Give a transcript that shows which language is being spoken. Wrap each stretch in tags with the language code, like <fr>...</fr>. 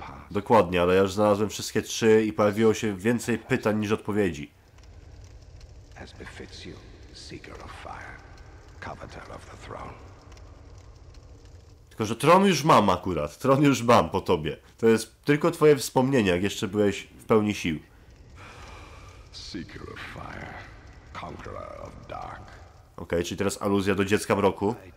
<pl>Dokładnie, ale ja już znalazłem wszystkie trzy i pojawiło się więcej pytań niż odpowiedzi.</pl> <en>As befits you, seeker of fire, coveter of the throne.</en> <pl>Tylko, że tron już mam akurat. Tron już mam po tobie. To jest tylko twoje wspomnienie, jak jeszcze byłeś w pełni sił.</pl> <en>Seeker of fire, conqueror of dark.</en> <pl>Okej, czyli teraz aluzja do dziecka mroku.</pl>